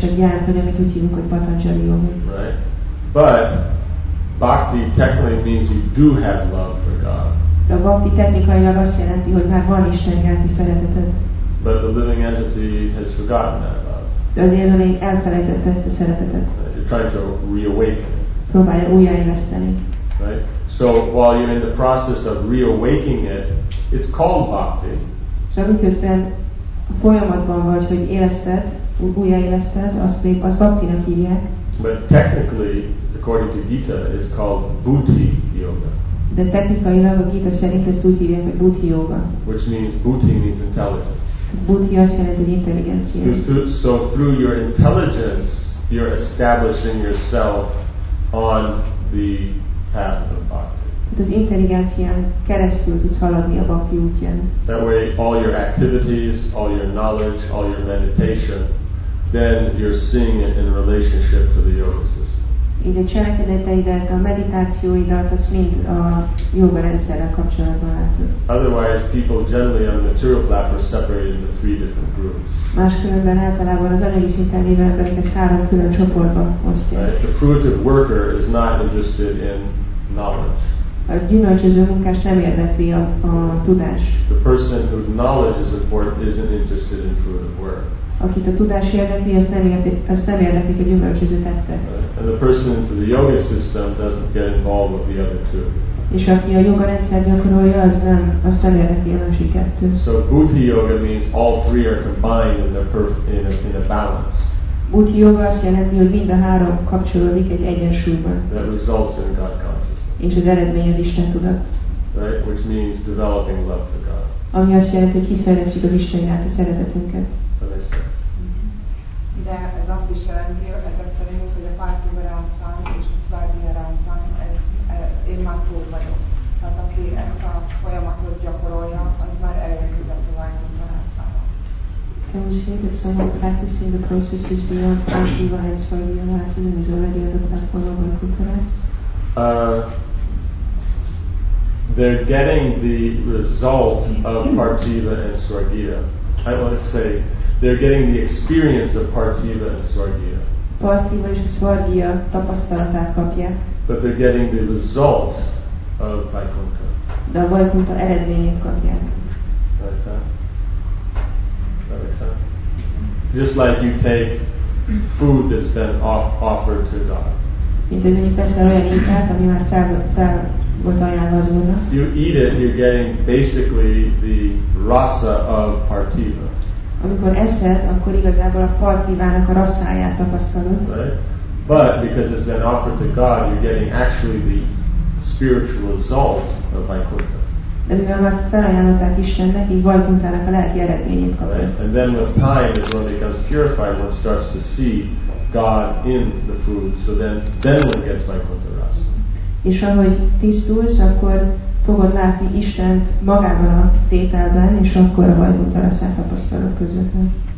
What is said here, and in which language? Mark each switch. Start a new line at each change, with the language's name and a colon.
English: Right. But bhakti technically means you do have love for God.
Hungarian: A bhakti technikailag azt jelenti, hogy már van Isten iránti szereteted.
English: But the living entity has forgotten that love.
Hungarian: De az élő lény elfelejtette ezt a szeretetet.
English: You're trying to reawaken.
Hungarian: Próbálja újjáéleszteni.
English: Right. So while you're in the process of reawaking it, it's called bhakti. So
Hungarian: miközben a folyamatban vagy, hogy éleszted, újjáéleszted, azt még az bhaktinak hívják.
English: But technically, according to Gita, it's called bhuti yoga.
Hungarian: De technikailag a Gita szerint ezt úgy hívják, hogy bhuti yoga.
English: Which means bhuti means intelligence.
Hungarian: Bhuti azt jelenti, hogy intelligencia.
English: So through your intelligence, you're establishing yourself on the path of bhakti.
Hungarian: Az intelligencián keresztül tudsz haladni a bhakti útján.
English: That way all your activities, all your knowledge, all your meditation, then you're seeing it in relationship to the yoga system.
Hungarian: Így a cselekedeteidet, a meditációidat, azt mind a jóga rendszerrel kapcsolatban látod.
English: Otherwise people generally on the material platform are separated into three different groups.
Hungarian: Máskülönben általában az anyagi szinten lévő emberek ezt három külön csoportba osztják.
English: Right? The fruitive worker is not interested in knowledge.
Hungarian: A gyümölcsöző munkás nem érdekli a tudás.
English: The person whose knowledge is important isn't interested in fruitive work.
Hungarian: Akit a tudás érdekli, azt nem érdekli a gyümölcsöző tettek.
English: And the person into the yoga system doesn't get involved with the other two.
Hungarian: És aki a yoga rendszer gyakorolja, azt nem érdekli a másik kettő.
English: So bhuti yoga means all three are combined in a balance.
Hungarian: Bhuti yoga azt jelenti, hogy mind a három kapcsolódik egy egyensúlyban.
English: That results in God consciousness.
Hungarian: És az eredmény az Isten tudat.
English: Right, which means developing love for God.
Hungarian: Ami azt jelenti, hogy kifejlesztjük az Isten iránti szeretetünket. Mm-hmm. De ez azt is jelenti, hogy ezek szerint, hogy a Pátti Varánszán és a Szvárdi Varánszán, én már túl vagyok. Tehát aki ezt a folyamatot gyakorolja, az már eljegyül a tovább.
English: Can we say that someone practicing the process is beyond Pátti Varánszán and Svárdi and is already at the platform of Vaikuntharas? They're getting the result of Parjiva and Swargya. I want to say they're getting the experience of Parjiva and Swargya.
Hungarian: Parjiva és Swargya tapasztalatát kapják.
English: But they're getting the result of Vaikuntha.
Hungarian: De a Vaikuntha eredményét kapják.
English: Like that? That makes sense. Just like you take food that's been offered to God.
Hungarian: Mint hogy mondjuk veszel olyan ételt, ami már fel volt ajánlva az Úrnak.
English: You eat it, you're getting basically the rasa of Parjiva.
Hungarian: Amikor eszed, akkor igazából a Parjivának a rasszáját tapasztalod.
English: Right? But because it's been offered to God, you're getting actually the spiritual result of Vaikuntha.
Hungarian: De mivel már felajánlották Istennek, így bajkuntának a lelki eredményét kapott.
English: And then with time, as one becomes purified, one starts to see God in the food, so then one gets bajkunta rasa.
Hungarian: És ahogy tisztulsz, akkor fogod látni Istent magában a cételben, és akkor a bajkunta raszát tapasztalod közvetlen.